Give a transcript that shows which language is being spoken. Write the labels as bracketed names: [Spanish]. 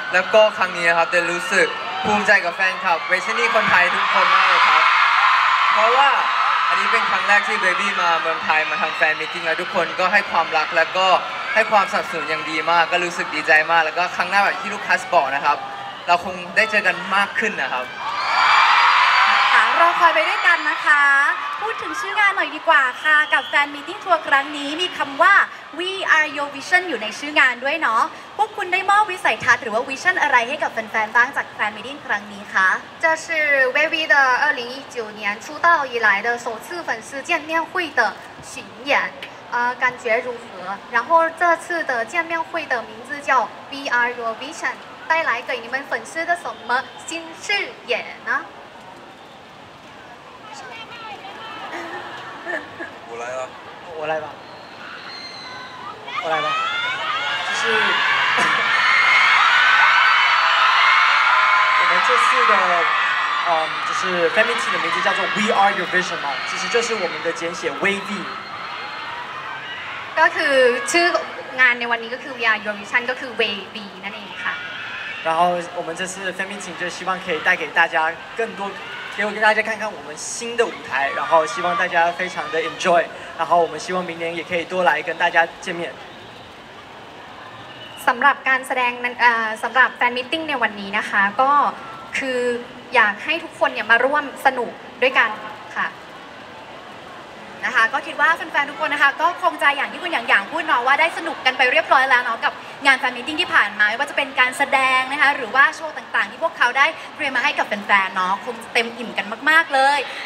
[Thai] แล้วก็ครั้งนี้ครับจะรู้สึกภูมิใจกับแฟนคลับเวชนี่คนไทยทุกคนมากเลยครับเพราะว่าอันนี้เป็นครั้งแรกที่เบบี้มาเมืองไทยมาทำแฟนมีตติ้งแล้วทุกคนก็ให้ความรักแล้วก็ให้ความสนับสนุนอย่างดีมากก็รู้สึกดีใจมากแล้วก็ครั้งหน้าแบบที่ลูกคัสบอกนะครับเราคงได้เจอกันมากขึ้นนะครับ รอคอยไปด้วยกันนะคะพูดถึงชื่องานหน่อยดีกว่าค่ะกับแฟนมีตติ้งทัวร์ครั้งนี้มีคำว่า We Are Your Vision อยู่ในชื่องานด้วยเนาะพวกคุณได้มอบวิสัยทัศน์หรือว่าวิชั่นอะไรให้กับแฟนๆบ้างจากแฟนมีตติ้งครั้งนี้คะ [Chinese] 这是 Wavy 的2019年出道以来的首次粉丝见面会的巡演感觉如何然后这次的见面会的名字叫 We Are Your Vision 带来给你们粉丝的什么新视野呢我来吧就是我们这次的就是 Fan Meeting 的名字叫做 We Are Your Vision 嘛其实就是我们的简写 WeV [Thai] ก็คือชื่องานในวันนี้ก็คือ We Are Your Vision ก็คือ WeV นั่นเองค่ะ [Chinese] 然后我们这次 Fan Meeting 就希望可以带给大家更多给我跟大家看看我们新的舞台然后希望大家非常的 enjoy 然后我们希望明年也可以多来跟大家见面 [Thai] สำหรับการแสดงสำหรับแฟนมีตติ้งในวันนี้นะคะก็คืออยากให้ทุกคนเนี่ยมาร่วมสนุกด้วยกันค่ะนะคะก็คิดว่าแฟนๆทุกคนนะคะก็คงใจอย่างที่คุณอย่างพูดเนาะว่าได้สนุกกันไปเรียบร้อยแล้วเนาะกับงานแฟนมีตติ้งที่ผ่านมาไม่ว่าจะเป็นการแสดงนะคะหรือว่าโชว์ต่างๆที่พวกเขาได้เตรียมมาให้กับแฟนๆเนาะคงเต็มอิ่มกันมากๆเลย